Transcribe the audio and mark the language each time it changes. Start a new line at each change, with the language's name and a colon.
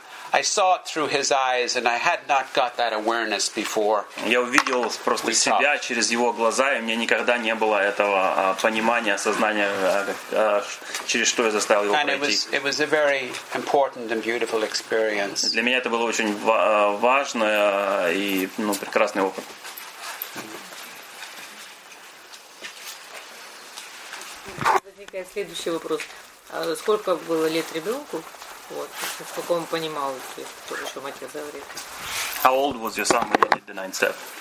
English: I saw it through his eyes, and I had not got that awareness before.
Russian: Я увидел просто себя через его глаза, и у меня никогда не было этого понимания, осознания, через что я заставил его пройти.
English: And it was a very important and beautiful experience.
Russian: Для меня это было очень важное и прекрасный опыт. Возникает следующий вопрос: сколько было лет ребенку? Вот, сколько он понимал, то есть тоже еще мать говорит.
English: How old was your son when you did the ninth step?